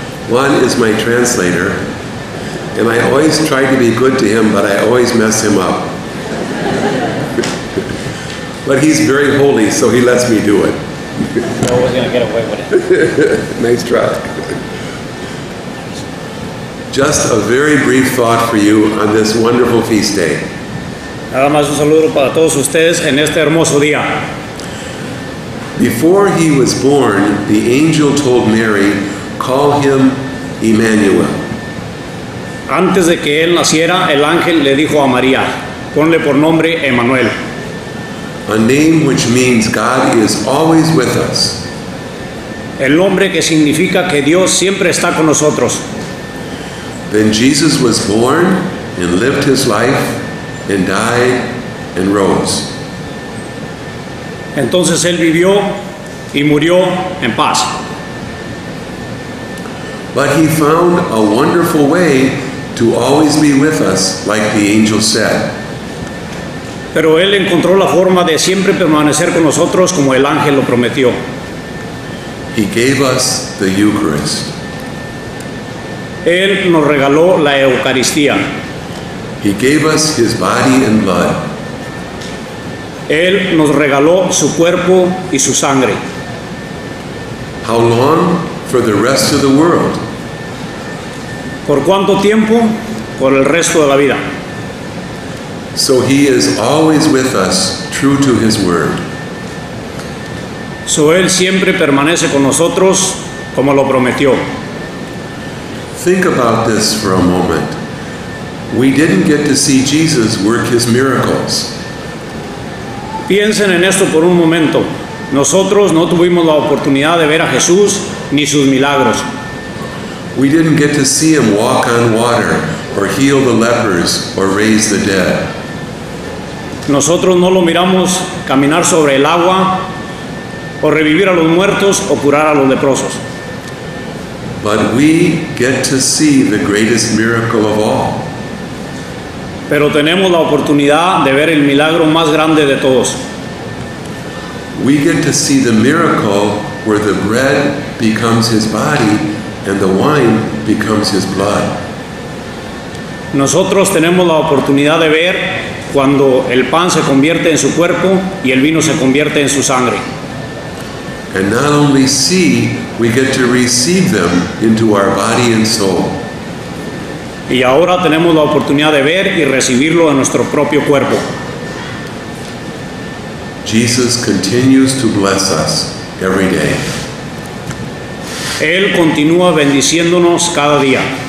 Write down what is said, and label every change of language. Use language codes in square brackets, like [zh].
[en] Juan is my translator, and I always try to be good to him, but I always mess him up. But he's very holy, so he lets me do it. I was going to get away with it. Nice try. Just a very brief thought for you on this wonderful feast day. [es] Nada más un saludo para todos ustedes en este hermoso día. [en] Before he was born, the angel told Mary, call him Emmanuel. [es] Antes de que él naciera, el ángel le dijo a María, ponle por nombre Emmanuel. [en] A name which means God is always with us. [es] El nombre que significa que Dios siempre está con nosotros. [en] Then Jesus was born and lived his life and died and rose. [es] Entonces él vivió y murió en paz. [en] But he found a wonderful way to always be with us, like the angel said. [es] Pero él encontró la forma de siempre permanecer con nosotros como el ángel lo prometió. [en] He gave us the Eucharist. [es] Él nos regaló la Eucaristía. [en] He gave us his body and blood. [es] Él nos regaló su cuerpo y su sangre. [en] How long for the rest of the world? [es] ¿Por cuánto tiempo? Por el resto de la vida. [en] So he is always with us, true to his word. [es] So él siempre permanece con nosotros como lo prometió. [en] Think about this for a moment. We didn't get to see Jesus work his miracles. [es] Piensen en esto por un momento. Nosotros no tuvimos la oportunidad de ver a Jesús ni sus milagros. [en] We didn't get to see him walk on water or heal the lepers or raise the dead. [es] Nosotros no lo miramos caminar sobre el agua o revivir a los muertos o curar a los leprosos. [en] But we get to see the greatest miracle of all. [es] Pero tenemos la oportunidad de ver el milagro más grande de todos. [en] We get to see the miracle where the bread becomes his body and the wine becomes his blood. [es] Nosotros tenemos la oportunidad de ver cuando el pan se convierte en su cuerpo y el vino se convierte en su sangre. [en] And not only see, we get to receive them into our body and soul. [es] Y ahora tenemos la oportunidad de ver y recibirlo en nuestro propio cuerpo. [en] Jesus continues to bless us every day. [es] Él continúa bendiciéndonos cada día.